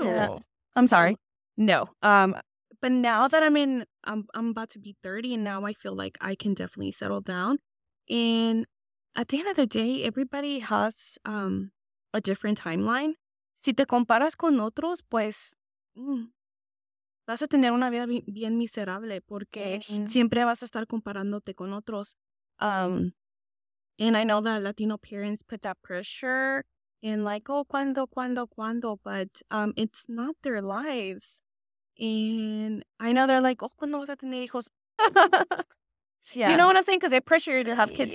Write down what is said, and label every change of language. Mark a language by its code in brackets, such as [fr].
[en] Yeah. I'm sorry. No. But now that I'm in, I'm about to be 30, and now I feel like I can definitely settle down. And at the end of the day, everybody has a different timeline. [es] Si te comparas con otros, pues. Vas a tener una vida bien miserable porque siempre vas a estar comparándote con otros. [en] And I know that Latino parents put that pressure in like, oh, cuando, but it's not their lives. And I know they're like, oh, [es] cuando vas a tener hijos? [en] Yeah. You know what I'm saying? Because they pressure you to have kids